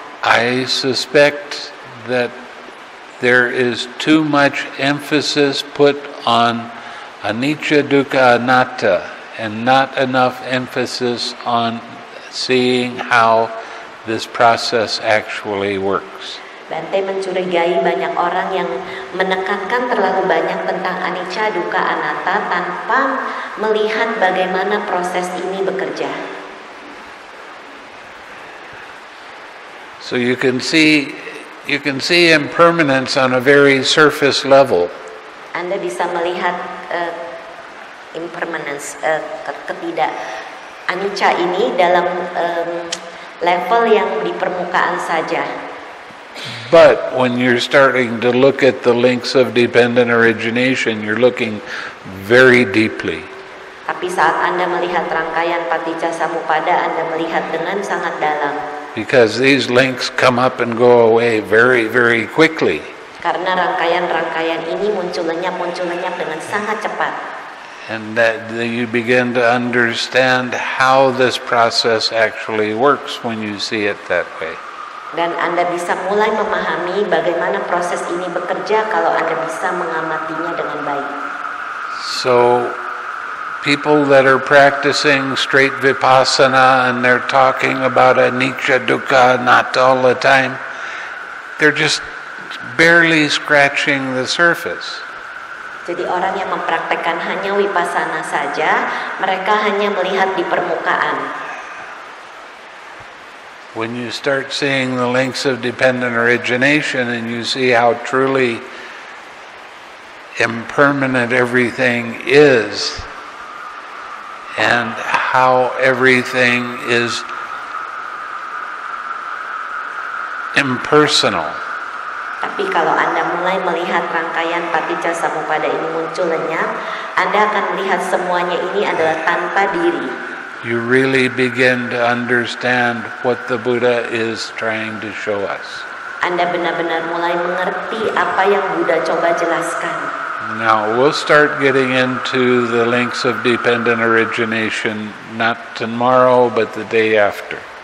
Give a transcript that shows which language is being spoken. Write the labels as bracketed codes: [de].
[en] I suspect that there is too much emphasis put on anicca, dukkha, anatta and not enough emphasis on seeing how this process actually works. [id] Bhante mencurigai banyak orang yang menekankan terlalu banyak tentang anicca, dukkha, anatta tanpa melihat bagaimana proses ini bekerja. [en] So you can see impermanence on a very surface level. [id] Anda bisa melihat impermanence, ketidak anicca ini dalam level yang di permukaan saja. [en] But when you're starting to look at the links of dependent origination, you're looking very deeply. [id] Tapi saat Anda melihat rangkaian paticca samuppada, Anda melihat dengan sangat dalam. [en] Because these links come up and go away very, very quickly. [id] Karena rangkaian-rangkaian ini munculnya dengan sangat cepat. [en] And that you begin to understand how this process actually works when you see it that way. [id] Dan Anda bisa mulai memahami bagaimana proses ini bekerja kalau Anda bisa mengamatinya dengan baik. [en] So, people that are practicing straight vipassana and they're talking about anicca, dukkha, anatta all the time, they're just barely scratching the surface. [id] Jadi orang yang mempraktekkan hanya vipassana saja, mereka hanya melihat di permukaan. [en] When you start seeing the links of dependent origination and you see how truly impermanent everything is, and how everything is impersonal. [id] Tapi kalau Anda mulai melihat rangkaian paticca samuppada ini muncul lenyap, Anda akan melihat semuanya ini adalah tanpa diri. [en] You really begin to understand what the Buddha is trying to show us. [id] Anda benar-benar mulai mengerti apa yang Buddha coba jelaskan. [en] Now we'll start getting into the links of dependent origination not tomorrow but the day after.